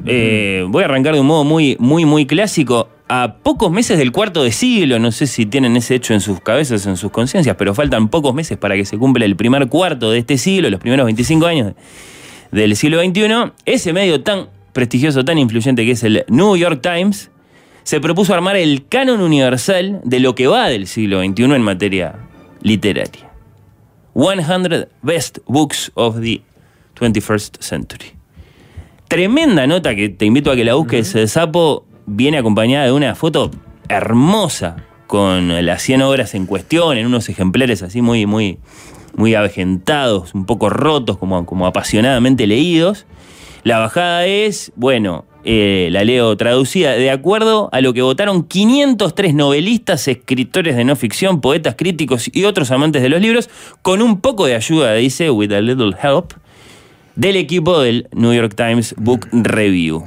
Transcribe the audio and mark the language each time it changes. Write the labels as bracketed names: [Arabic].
[Spanish] Voy a arrancar de un modo muy, muy, muy clásico. A pocos meses del cuarto de siglo, no sé si tienen ese hecho en sus cabezas, en sus conciencias, pero faltan pocos meses para que se cumpla el primer cuarto de este siglo, los primeros 25 años del siglo XXI, ese medio tan prestigioso, tan influyente que es el New York Times, se propuso armar el canon universal de lo que va del siglo XXI en materia literaria. [English] 100 Best Books of the 21st Century. [Spanish] Tremenda nota que te invito a que la busques, Sapo. Viene acompañada de una foto hermosa con las 100 obras en cuestión, en unos ejemplares así muy, muy, muy avejentados, un poco rotos, como apasionadamente leídos. La bajada es, bueno, la leo traducida, de acuerdo a lo que votaron 503 novelistas, escritores de no ficción, poetas, críticos y otros amantes de los libros, con un poco de ayuda, dice, [English] with a little help, [Spanish] del equipo del New York Times Book Review.